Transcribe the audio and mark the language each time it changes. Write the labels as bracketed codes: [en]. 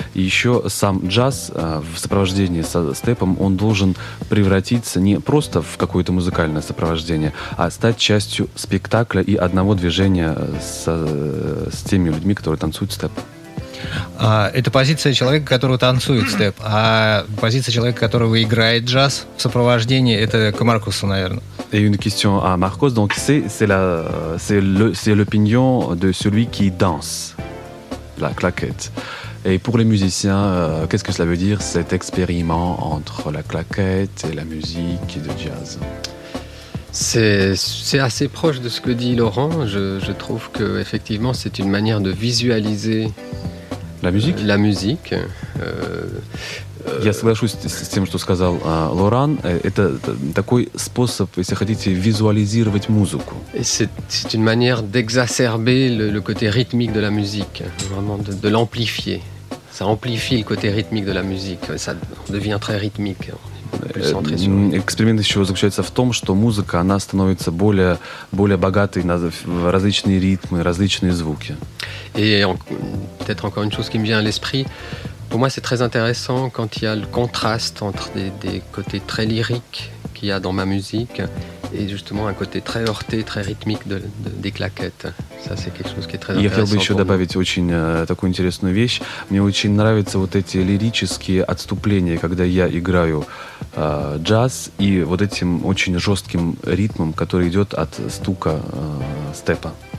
[ru] И еще сам джаз в сопровождении со степом, он должен превратиться не просто в какое-то музыкальное сопровождение, а стать частью спектакля и одного движения с теми людьми, которые танцуют степ. Это позиция человека, который танцует степ. А позиция человека, который играет джаз в сопровождении, это к Маркусу, наверное. [fr] Et une question à Marcos, donc c'est l'opinion de celui qui danse la claquette. Et pour les musiciens, qu'est-ce que cela veut dire cet expériment entre la claquette et la musique de jazz? C'est assez proche de ce que dit Laurent. Je trouve que effectivement, c'est une manière de visualiser la musique. La musique. [ru] Я соглашусь с тем, что сказал Лоран. Это такой способ, если хотите, визуализировать музыку. [fr] C'est une manière d'exacerber le côté rythmique de la musique, vraiment de l'amplifier. Ça amplifie le côté rythmique de la musique. Ça devient très rythmique. [ru] Эксперимент еще заключается в том, что музыка, она становится более богатой на различные ритмы, различные звуки. [fr] Et peut-être encore une chose qui me vient à l'esprit, pour moi c'est très intéressant quand il y a le contraste entre des côtés très lyriques qu'il y a dans ma musique et justement un côté très heurté, très rythmique des claquettes. Ça c'est quelque chose qui est très intéressant. [ru] Я хотел бы еще добавить очень такую интересную вещь. Мне очень нравятся вот эти лирические отступления, когда я играю джаз и вот этим очень жестким ритмом, который идет от стука степа.